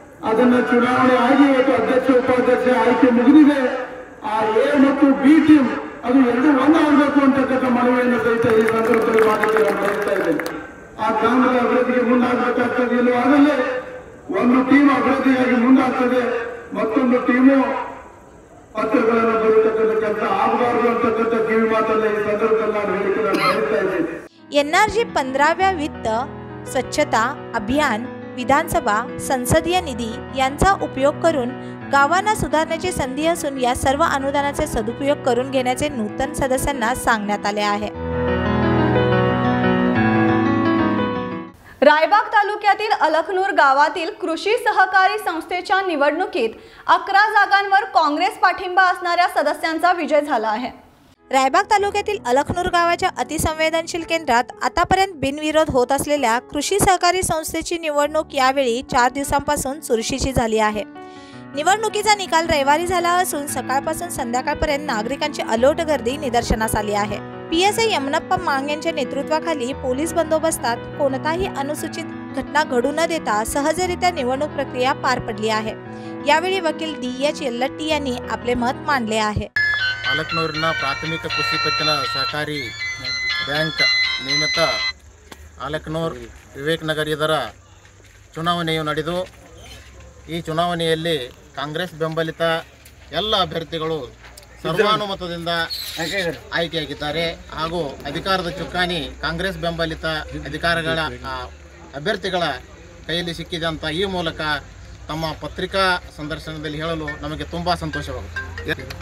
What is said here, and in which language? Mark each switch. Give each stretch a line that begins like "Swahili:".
Kannada: ಅದನ್ನು ಚುನಾವಣೆ ಆಗಿ ಇವತ್ತು ಅಧ್ಯಕ್ಷ ಉಪಾಧ್ಯಕ್ಷ ಆಯ್ಕೆ ಮುಗಿದಿದೆ, ಆ ಎ ಮತ್ತು ಬಿ ಟೀಮ್ ಅದು ಎರಡು ಒಂದಾಗಬೇಕು ಅಂತಕ್ಕಂಥ ಮನವಿಯನ್ನು ಸಹಿತ ಈ ಸಂದರ್ಭದಲ್ಲಿ ಮಾಡಿದ್ದೆ ನಾನು ಹೇಳ್ತಾ ಇದ್ದೇನೆ। ಆ ಗ್ರಾಮದ ಅಭಿವೃದ್ಧಿಗೆ ಮುಂದಾಗಬೇಕಾಗ್ತದೆ ಇಲ್ಲೋ, ಆಗಲೇ ಒಂದು ಟೀಮ್ ಅಭಿವೃದ್ಧಿಯಾಗಿ ಮುಂದಾಗ್ತದೆ, ಮತ್ತೊಂದು ಟೀಮು ಪತ್ರಗಳನ್ನು ಬರೀತಕ್ಕಂಥ ಕೆಲಸ ಆಗಬಾರದು ಅಂತಕ್ಕಂಥ ಕಿವಿ ಮಾತಲ್ಲಿ ಈ ಸಂದರ್ಭದಲ್ಲಿ ನಾನು ಹೇಳಿಕೆ ನಾನು ಹೇಳ್ತಾ ಇದ್ದೇನೆ।
Marathi: ಎನ್ಆರ್ಜಿ 15ನೇ ವಿತ್ತ ಸ್ವಚ್ಛತಾ ಅಭಿಯಾನ विधानसभा संसदीय निधि यांचा उपयोग करून गावांना सुधारण्याची संधी असून या सर्व अनुदानाचे सदुपयोग करून घेण्याचे नूतन सदस्यांना सांगण्यात आले आहे। रायबाग तालुक्यातील अलखनूर गावातील कृषी सहकारी संस्थेच्या निवडणुकीत 11 जागांवर काँग्रेस पाठिंबा असणाऱ्या सदस्यांचा विजय झाला आहे। रायबाग तालुक्यातील अलखनूर गावाच्या अतिसंवेदनशील केंद्रात आतापर्यंत बिनविरोध होत असलेल्या कृषी सहकारी संस्थेची निवडणूक यावेळी 4 दिवसांपासून चुरशीची झाली आहे। निवडणुकीचा निकाल रविवारी झाला असून सकाळपासून संध्याकाळपर्यंत नागरिकांची अलोट गर्दी निदर्शनास आली आहे। पीएसए यमनप्पा मांग यांच्या नेतृत्वाखाली पोलीस बंदोबस्तात कोणताही अनुसूचित घटना घडू न देता सहजरित्या निवडणूक प्रक्रिया पार पडली आहे। यावेळी वकील डी एच येल्लट्टी यांनी आपले मत मांडले आहे।
Kannada: ಅಲಕ್ನೂರಿನ ಪ್ರಾಥಮಿಕ ಕೃಷಿ ಪತ್ತಿನ ಸಹಕಾರಿ ಬ್ಯಾಂಕ್ ನಿಯಮಿತ ಅಲಕ್ನೂರು ವಿವೇಕನಗರ ಇದರ ಚುನಾವಣೆಯು ನಡೆದು, ಈ ಚುನಾವಣೆಯಲ್ಲಿ ಕಾಂಗ್ರೆಸ್ ಬೆಂಬಲಿತ ಎಲ್ಲ ಅಭ್ಯರ್ಥಿಗಳು ಸರ್ವಾನುಮತದಿಂದ ಆಯ್ಕೆಯಾಗಿದ್ದಾರೆ ಹಾಗೂ ಅಧಿಕಾರದ ಚುಕ್ಕಾಣಿ ಕಾಂಗ್ರೆಸ್ ಬೆಂಬಲಿತ ಅಧಿಕಾರಗಳ ಅಭ್ಯರ್ಥಿಗಳ ಕೈಯಲ್ಲಿ ಸಿಕ್ಕಿದೆ ಅಂತ ಈ ಮೂಲಕ ತಮ್ಮ ಪತ್ರಿಕಾ ಸಂದರ್ಶನದಲ್ಲಿ ಹೇಳಲು ನಮಗೆ ತುಂಬ ಸಂತೋಷವಾಗುತ್ತದೆ।